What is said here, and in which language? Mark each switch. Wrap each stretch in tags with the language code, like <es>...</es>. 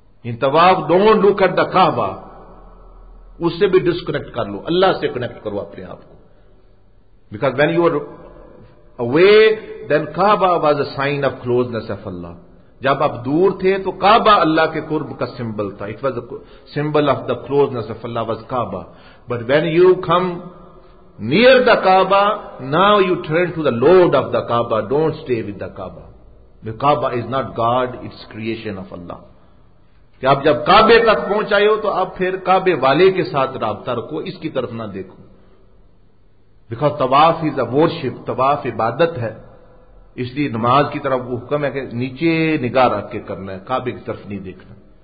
<en>in طواف don't look at the Kaaba,</en> <ur>اس سے بھی ڈسکنیکٹ کر لو, اللہ سے کنیکٹ کرو اپنے آپ کو.</ur> <en>Because when you are away then Kaaba was a sign of closeness of Allah.</en> <ur>جب آپ دور تھے تو کعبہ اللہ کے قرب کا سمبل تھا,</ur> <en>It was a symbol of the closeness of Allah was Kaaba.</en> <ur>But when you come</ur> <en>near the Kaaba, now you turn to the Lord of the Kaaba, don't stay with the Kaaba. The Kaaba is not God, it's creation of Allah.</en> <ur>کہ آپ جب کعبے تک پہنچائے ہو تو آپ پھر کعبے والے کے ساتھ رابطہ رکھو, اس کی طرف نہ دیکھو.</ur> <en>because طواف is a worship,</en> <ur>طواف عبادت ہے, اس لیے نماز کی طرف وہ حکم ہے کہ نیچے نگاہ رکھ کے کرنا ہے, کعبے کی طرف نہیں دیکھنا.</ur>